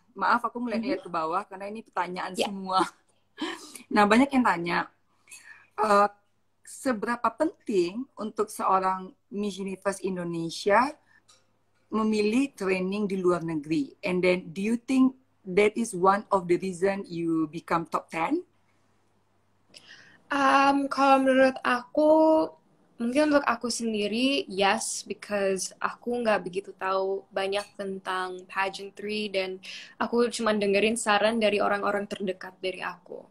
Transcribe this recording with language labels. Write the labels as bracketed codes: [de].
[id] Maaf, aku melihat-lihat ke bawah karena ini pertanyaan semua. Nah, banyak yang tanya, seberapa penting untuk seorang Miss Universe Indonesia memilih training di luar negeri? [en] And then, do you think that is one of the reason you become top 10? [id] Kalau menurut aku, mungkin untuk aku sendiri, [en] yes, because [id] aku nggak begitu tahu banyak tentang pageantry dan aku cuma dengerin saran dari orang-orang terdekat dari aku.